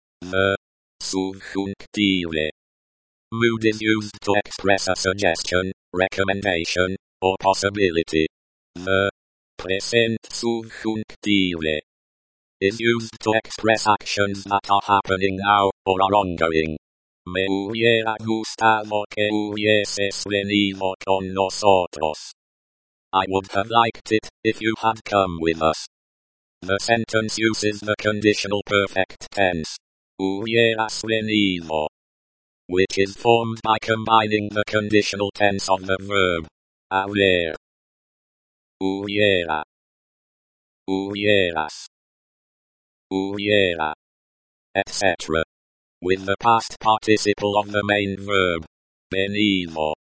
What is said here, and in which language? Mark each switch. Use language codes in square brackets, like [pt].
[en] The subjunctive. Mood is used to express a suggestion, recommendation, or possibility. The present subjunctive is used to express actions that are happening now or are ongoing. [es] Me hubiera gustado que hubieses venido con nosotros. [en] I would have liked it if you had come with us. The sentence uses the conditional perfect tense, [es] hubieras venido, [en] which is formed by combining the conditional tense of the verb, haber, hubiera, hubieras, hubiera, etc., with the past participle of the main verb, venido.